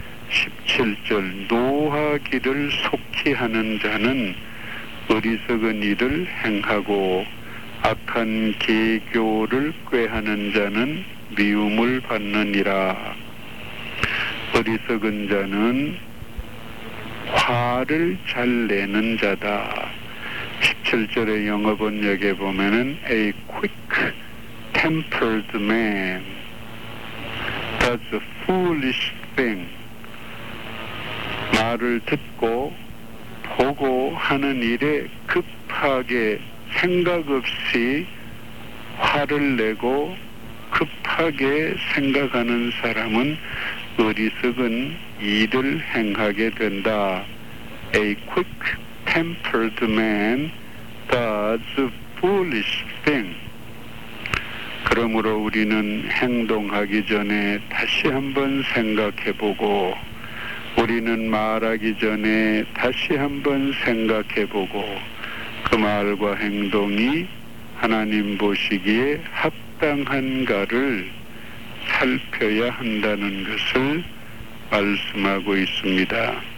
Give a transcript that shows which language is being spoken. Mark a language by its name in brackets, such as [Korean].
[Korean] 17절 노하기를 속히 하는 자는 어리석은 일을 행하고 악한 계교를 꾀하는 자는 미움을 받느니라. 어리석은 자는 화를 잘 내는 자다. 17절의 영어 번역에 보면은 [English] A quick-tempered man does a foolish thing. [Korean] 말을 듣고 보고 하는 일에 급하게 생각 없이 화를 내고 급하게 생각하는 사람은 어리석은 일을 행하게 된다. [English] A quick-tempered man does a foolish thing. [Korean] 그러므로 우리는 행동하기 전에 다시 한번 생각해보고, 우리는 말하기 전에 다시 한번 생각해보고 그 말과 행동이 하나님 보시기에 합당한가를 살펴야 한다는 것을 말씀하고 있습니다.